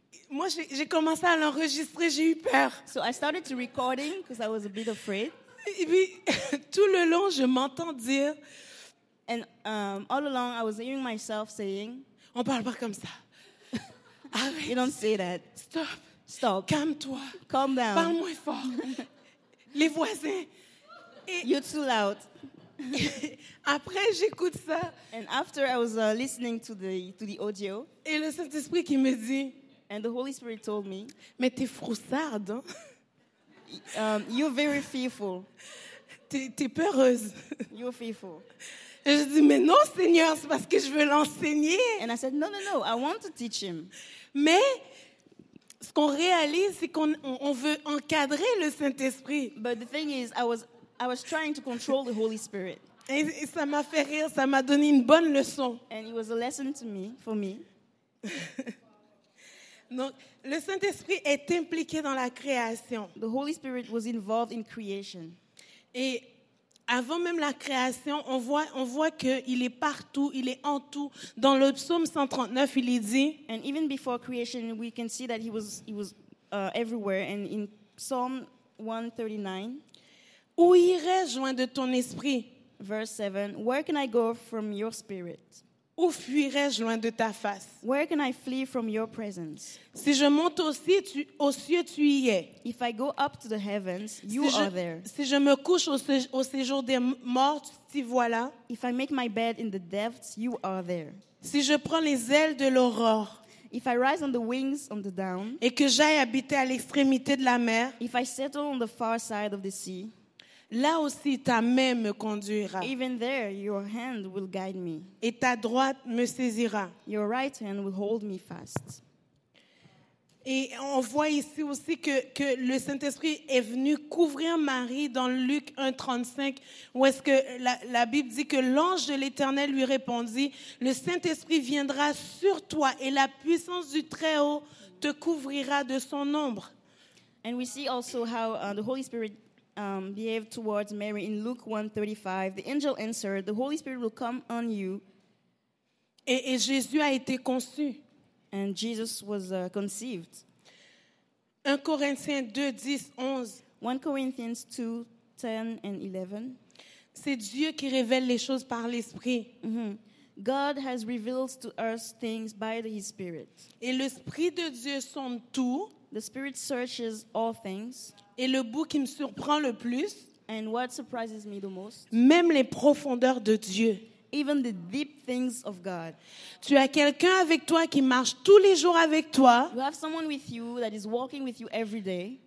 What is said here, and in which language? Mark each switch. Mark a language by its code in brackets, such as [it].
[fr] Moi, j'ai commencé à l'enregistrer, j'ai eu peur. [en] So I started to recording because I was a bit afraid. [fr] Et puis, tout le long, je m'entends dire. [en] And all along, I was hearing myself saying. [fr] On parle pas comme ça. [en] You don't say that. [fr] Stop. [en] Stop. [fr] Calme-toi. [en] Calm down. [fr] Parle moins fort. Les voisins. [en] You're too loud. [fr] Après, j'écoute ça. [en] And after, I was listening to the audio. [fr] Et le Saint-Esprit qui me dit. [en] And the Holy Spirit told me. [fr] Mais t'es froussarde. [en] You're very fearful. [fr] T'es peureuse. [en] You're fearful. [fr] Et je dis, mais non, Seigneur, c'est parce que je veux l'enseigner. [en] And I said, no, no, no, I want to teach him. [fr] Mais ce qu'on réalise, c'est qu'on veut encadrer le Saint-Esprit. [en] But the thing is, I was trying to control the Holy Spirit. [fr] Et ça m'a fait rire, ça m'a donné une bonne leçon. [en] And it was a lesson to me, for me. [fr] Donc, le Saint-Esprit est impliqué dans la création. [en] The Holy Spirit was involved in creation. [fr] Et avant même la création, on voit qu'il est partout, il est en tout. Dans le psaume 139, il est dit. [en] And even before creation, we can see that he was everywhere. And in Psalm 139, [fr] où irais-je loin de ton esprit? [en] Verse 7, where can I go from your spirit? [fr] Où fuirais-je loin de ta face? [en] Where can I flee from your presence? [fr] Si je monte aux cieux, tu y es. [en] If I go up to the heavens, you si [fr] je, [en] are there. [fr] Si je me couche au séjour des morts, t'y voilà. [en] If I make my bed in the depths, you are there. [fr] Si je prends les ailes de l'aurore. [en] If I rise on the wings on the dawn. [fr] Et que j'aille habiter à l'extrémité de la mer. [en] If I settle on the far side of the sea. [fr] Là aussi, ta main me conduira. [en] Even there, your hand will guide me. [fr] Et ta droite me saisira. [en] Your right hand will hold me fast. [fr] Et on voit ici aussi que le Saint-Esprit est venu couvrir Marie dans Luc 1:35, où est-ce que la Bible dit que l'ange de l'Éternel lui répondit, « Le Saint-Esprit viendra sur toi et la puissance du Très-Haut te couvrira de son ombre. » [en] And we see also how the Holy Spirit behaved towards Mary in Luke 1:35. The angel answered, "The Holy Spirit will come on you." [fr] Et Jésus a été conçu. [en] And Jesus was conceived. [fr] 1 Corinthiens 2, 10, 11. [en] 1 Corinthians 2, 10 and 11. [fr] C'est Dieu qui révèle les choses par l'Esprit. [en] Mm-hmm. God has revealed to us things by His Spirit. [fr] Et l'Esprit de Dieu sonde tout. [en] The Spirit searches all things. [fr] Et le bout qui me surprend le plus, [en] and what surprises me the most, [fr] même les profondeurs de Dieu, [en] even the deep things of God. [fr] Tu as quelqu'un avec toi qui marche tous les jours avec toi. [en] You have someone with you that is walking with you every day.